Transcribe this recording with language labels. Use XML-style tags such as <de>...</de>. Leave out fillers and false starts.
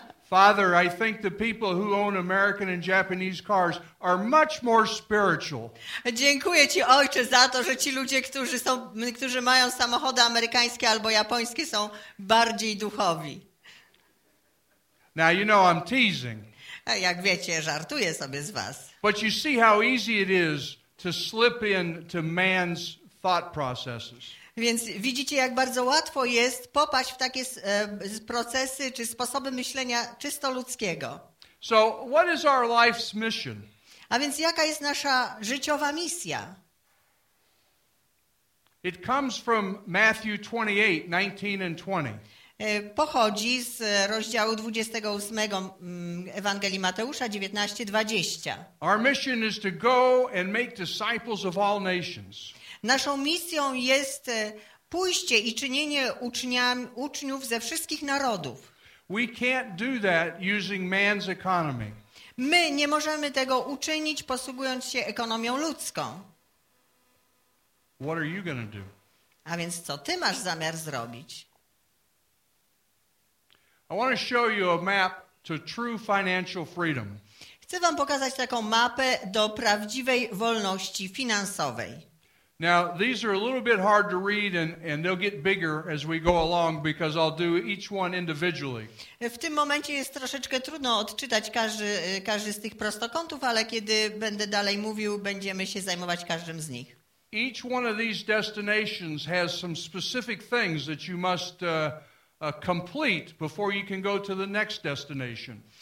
<en>Father, I think the people who own American and Japanese cars are much more spiritual.</en> <pl>Dziękuję ci, Ojcze, za to, że ci ludzie, którzy mają samochody amerykańskie albo japońskie, są bardziej duchowi.</pl> <en>Now you know I'm teasing.</en> <pl>Jak wiecie, żartuję sobie z was.</pl> <en>But you see how easy it is to slip into man's thought processes.</en> <pl>Więc widzicie, jak bardzo łatwo jest popaść w takie procesy czy sposoby myślenia czysto ludzkiego.</pl> <en>So, what is our life's mission?</en> <pl>A więc jaka jest nasza życiowa misja?</pl> <en>It comes from Matthew 28:19 and 20.</en> <pl>Pochodzi z rozdziału 28 Ewangelii Mateusza 19:20.</pl> <en>Our mission is to go and make disciples of all nations.</en> <pl>Naszą misją jest pójście i czynienie uczniów ze wszystkich narodów.</pl> <en>We can't do that using man's economy.</en> <pl>My nie możemy tego uczynić, posługując się ekonomią ludzką.</pl> <en>What are you gonna do?</en> <pl>A więc co ty masz zamiar zrobić?</pl> <en>I want to show you a map to true financial freedom.</en> <pl>Chcę wam pokazać taką mapę do prawdziwej wolności finansowej.</pl> <en>Now, these are a little bit hard to read and they'll get bigger as we go along because I'll do each one individually.</en> <pl>W tym momencie jest troszeczkę trudno odczytać każdy z tych prostokątów, ale kiedy będę dalej mówił, będziemy się zajmować każdym z nich.</pl> <en>Each one of these destinations has some specific things that you must complete before you can go to the next destination.</en>